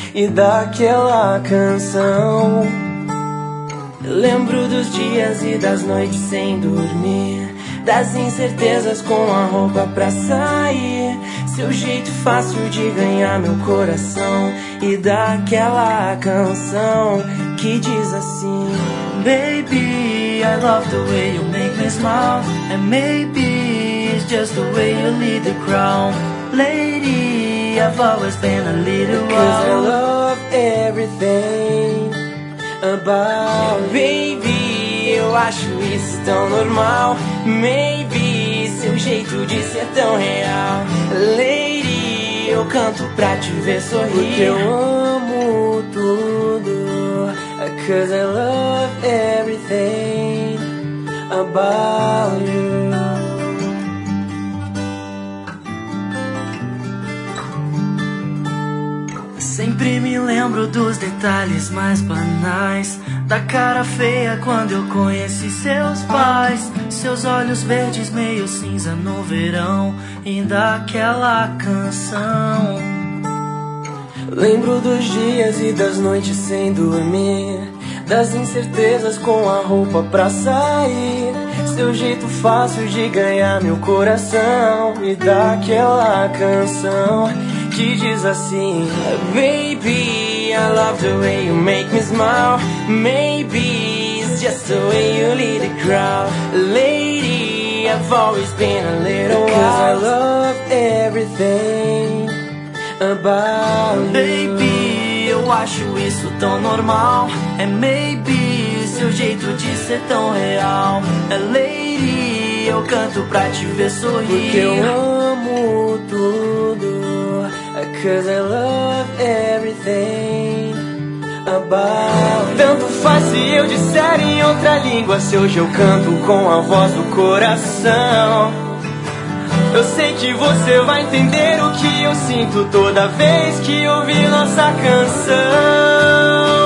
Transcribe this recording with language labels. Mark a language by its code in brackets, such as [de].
[pt] E daquela canção. Lembro dos dias e das noites sem dormir. Das incertezas com a roupa pra sair. Seu jeito fácil de ganhar meu coração. E daquela canção que diz assim: [en] Baby, I love the way you make me smile. And maybe it's just the way you lead the crown. Lady, I've always been a little wild. Cause I love everything about you. [pt] Baby, eu acho isso tão normal. Maybe seu jeito de ser tão real. Lady, eu canto pra te ver sorrir. Porque eu amo tudo. [en] Cause I love everything about you. [pt] Sempre me lembro dos detalhes mais banais. Da cara feia quando eu conheci seus pais. Seus olhos verdes meio cinza no verão. E daquela canção. Lembro dos dias e das noites sem dormir. Das incertezas com a roupa pra sair. Seu jeito fácil de ganhar meu coração. E daquela canção que diz assim: [en] Baby, I love the way you make me smile. Maybe it's just the way you lead the crowd. Lady, I've always been a little wild. Cause I love everything about you. [pt] Baby, eu acho isso tão normal. [en] And maybe [pt] seu jeito de ser tão real. Lady, eu canto pra te ver sorrir. Porque eu amo tudo. [en] Cause I love everything about you. [pt] Tanto faz se eu disser em outra língua. Se hoje eu canto com a voz do coração. Eu sei que você vai entender o que eu sinto toda vez que ouvi nossa canção.